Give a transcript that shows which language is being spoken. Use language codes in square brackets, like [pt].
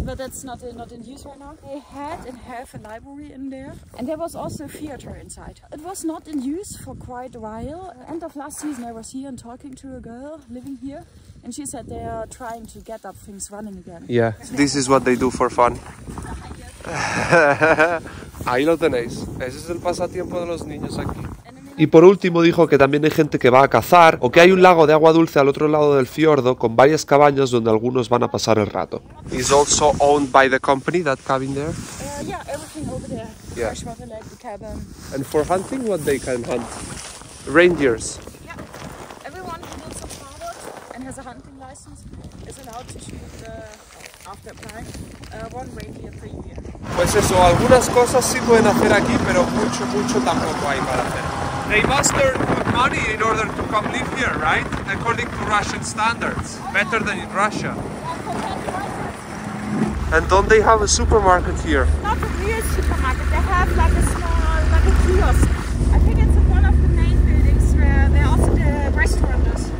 [en] but that's not in use right now. They had and have a library in there, and there was also a theater inside. It was not in use for quite a while. End of last season, I was here and talking to a girl living here, and she said they are trying to get up things running again. Yeah. This is what they do for fun. [es] Ahí lo tenéis. Ese es el pasatiempo de los niños aquí. Y por último dijo que también hay gente que va a cazar o que hay un lago de agua dulce al otro lado del fiordo con varias cabañas donde algunos van a pasar el rato. [en] Is also owned by the company that cabin there? Yeah, everything over there. Yeah. Freshwater lake, the cabin. And for hunting, what they can hunt? Reindeers. Yeah. Everyone who lives in Harvard and has a hunting license is allowed to shoot the after prime one reindeer per year. [es] Pues eso, algunas cosas sí pueden hacer aquí, pero mucho, mucho tampoco hay para hacer. [en] They must earn good money in order to come live here, right? According to Russian standards. Better than in Russia. And don't they have a supermarket here? Not a real supermarket. They have like a small, like a kiosk. I think it's one of the main buildings where they're also the restaurants.